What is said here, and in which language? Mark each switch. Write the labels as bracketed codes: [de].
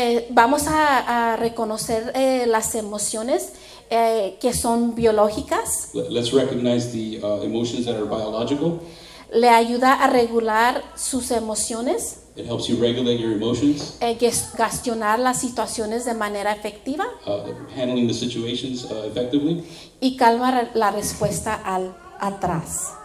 [es] Vamos a reconocer las emociones que son biológicas. [en] Let's recognize the emotions that are biological. [es] Le ayuda a regular sus emociones. [en] It helps you regulate your emotions. [es] Gestionar las situaciones de manera efectiva. [en] Handling the situations effectively. [es] Y calma la respuesta al atrás.